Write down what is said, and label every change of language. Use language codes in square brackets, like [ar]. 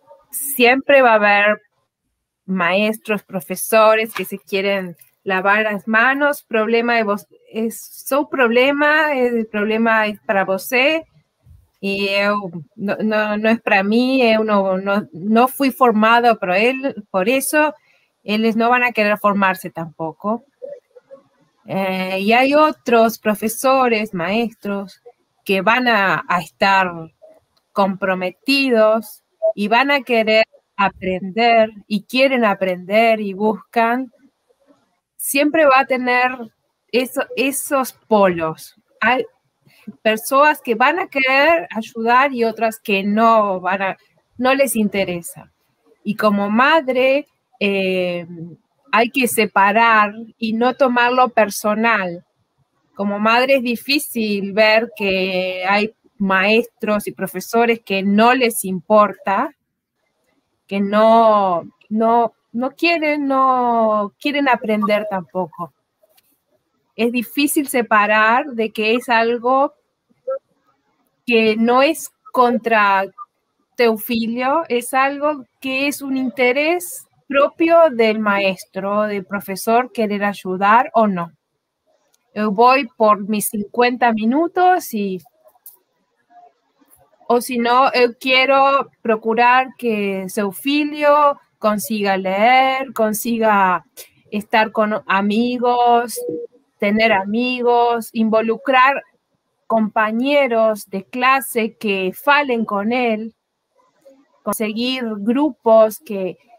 [pt] Sempre vai haver maestros, professores que se querem lavar as mãos, problema de você, é seu problema, o problema é para você, e eu, não é para mim, eu não fui formado para ele, por isso, eles não vão querer formar-se tampouco. [es] Y hay otros profesores, maestros, que van a estar comprometidos y van a querer aprender y quieren aprender y buscan. Siempre va a tener esos polos. Hay personas que van a querer ayudar y otras que no, no les interesa. Y como madre, hay que separar y no tomarlo personal. Como madre es difícil ver que hay maestros y profesores que no les importa, que no quieren, no quieren aprender tampoco. Es difícil separar de que es algo que no es contra [pt] teu filho, é algo que é um interesse próprio do maestro, do professor, querer ajudar ou não. Eu vou por meus 50 minutos e... ou se não, eu quero procurar que seu filho consiga ler, consiga estar com amigos, ter amigos, involucrar companheiros de classe que falem com ele, conseguir grupos que